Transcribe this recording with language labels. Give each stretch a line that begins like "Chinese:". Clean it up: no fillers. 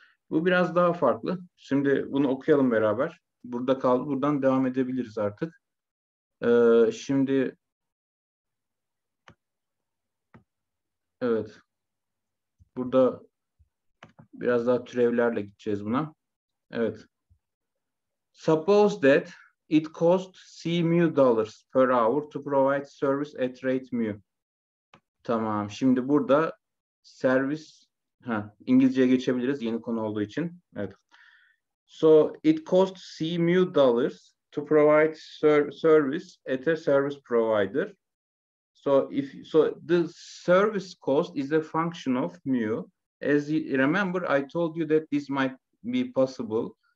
Turkish: Bu biraz daha farklı. Şimdi bunu okuyalım beraber. Burada kaldı. Buradan devam edebiliriz artık. Şimdi evet. Burada biraz daha türevlerle gideceğiz buna. Evet.
English: Suppose that it cost C mu dollars per hour to provide service at rate mu.
Turkish: Tamam. Şimdi burada servis İngilizceye geçebiliriz yeni konu olduğu için. Evet.
English: So it cost C mu dollars to provide service at a service provider. So the service cost is a function of mu. As you remember, I told you that this might be possible.